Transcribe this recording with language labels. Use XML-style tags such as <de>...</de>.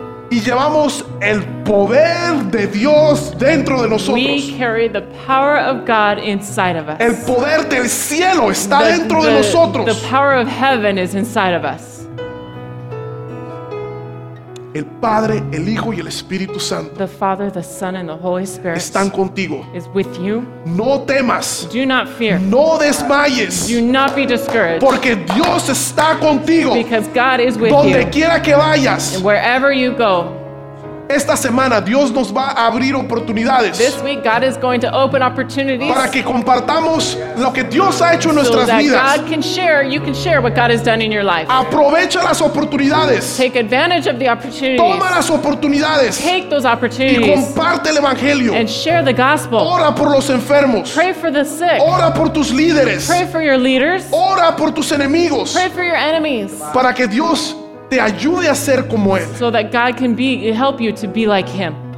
<es>Y llevamos el poder de Dios dentro de nosotros.</es> <en>We carry the power of God inside of us.</en> <es>El poder del cielo está dentro de nosotros.</es> <en>The power of heaven is inside of us.</en> <es>El Padre, el Hijo y el Espíritu Santo.</es> <en>The Father, the Son, and the Holy Spirit.</en> <es>Están contigo.</es> <en>Is with you.</en> <es>No temas.</es> <en>Do not fear.</en> <es>No desmayes.</es> <en>Do not be discouraged.</en> <es>Porque Dios está contigo.</es> <en>Because God is with you.</en> <es>Donde quiera que vayas.</es> <en>And wherever you go.</en> <es>Esta semana Dios nos va a abrir oportunidades.</es> <en>This week God is going to open opportunities.</en> <es>Para que compartamos lo que Dios ha hecho en</es> <en>so</en> <es>nuestras</es> <en>that</en> <es>vidas.</es> <en>God can share, you can share what God has done in your life.</en> <es>Aprovecha las oportunidades.</es> <en>Take advantage of the opportunities.</en> <es>Toma las oportunidades.</es> <en>Take those opportunities.</en> <es>Y comparte el evangelio.</es> <en>And share the gospel.</en> <es>Ora por los enfermos.</es> <en>Pray for the sick.</en> <es>Ora por tus líderes.</es> <en>Pray for your leaders.</en> <es>Ora por tus enemigos.</es> <en>Pray for your enemies.</en> <es>Para que Dios te ayude a ser como él.</es> <en>So that God can be, help you to be like him.</en>